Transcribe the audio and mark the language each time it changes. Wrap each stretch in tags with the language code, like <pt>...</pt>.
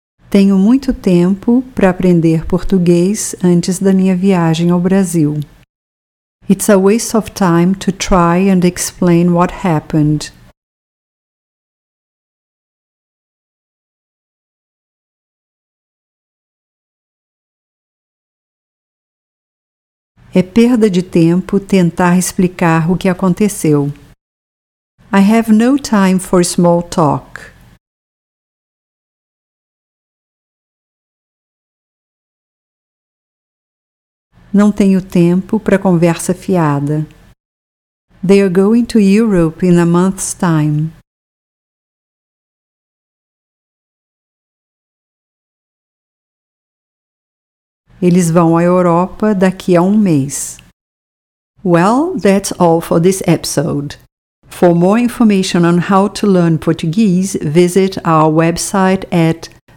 <pt>Tenho muito tempo para aprender português antes da minha viagem ao Brasil.</pt> <en>It's a waste of time to try and explain what happened.</en> <pt>É perda de tempo tentar explicar o que aconteceu.</pt> <en>I have no time for small talk.</en> <pt>Não tenho tempo para conversa fiada.</pt> <en>They are going to Europe in a month's time.</en> <pt>Eles vão à Europa daqui a um mês.</pt> <en>Well, that's all for this episode. For more information on how to learn Portuguese, visit our website at</en>